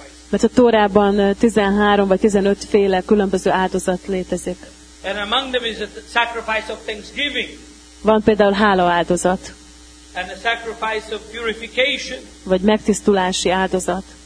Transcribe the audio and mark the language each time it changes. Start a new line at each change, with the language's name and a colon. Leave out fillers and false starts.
Hungarian: Mert a Tórában 13 vagy 15 féle különböző áldozat létezik.
English: And among them is a sacrifice of thanksgiving.
Hungarian: Van például hála áldozat.
English: And a sacrifice of purification.
Hungarian: Vagy megtisztulási áldozat.